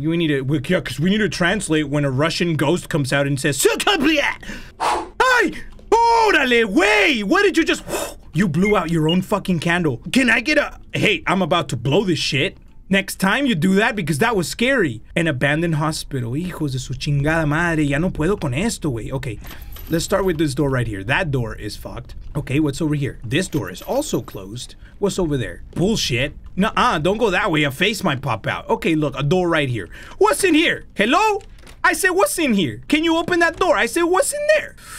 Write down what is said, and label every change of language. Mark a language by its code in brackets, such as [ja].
[en] We need to, because we need to translate when a Russian ghost comes out and says, Sukablia! Ay! [es] Órale, wey! [en] What did you just, you blew out your own fucking candle. Can I get a, hey, I'm about to blow this shit. Next time you do that, because that was scary. An abandoned hospital. [es] Hijos de su chingada madre, ya no puedo con esto, wey. [en] Okay, let's start with this door right here. That door is fucked. Okay, what's over here? This door is also closed. What's over there? Bullshit. Nuh-uh, don't go that way. A face might pop out. Okay, look, a door right here. What's in here? Hello? I said, what's in here? Can you open that door? I said, what's in there?